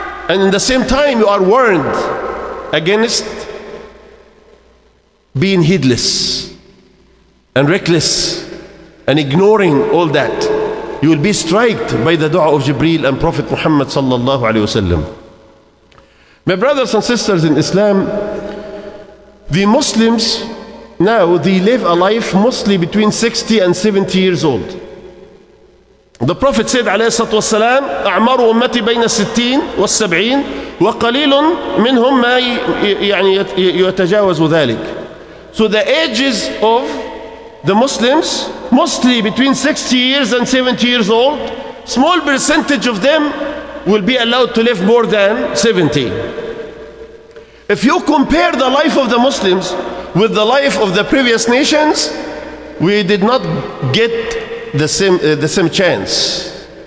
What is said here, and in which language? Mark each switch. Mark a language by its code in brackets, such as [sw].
[en] And in the same time, you are warned against being heedless and reckless and ignoring all that. You will be striked by the dua of Jibreel and Prophet Muhammad sallallahu alayhi wa sallam. My brothers and sisters in Islam, the Muslims now, they live a life mostly between 60 and 70 years old. The Prophet said, [ar] عليه الصلاة والسلام, أعمار أمتي بين الستين والسبعين وقليل منهم ما يعني يتجاوز ذلك. [en] So the ages of the Muslims, mostly between 60 years and 70 years old, small percentage of them will be allowed to live more than 70. If you compare the life of the Muslims with the life of the previous nations, we did not get the same chance.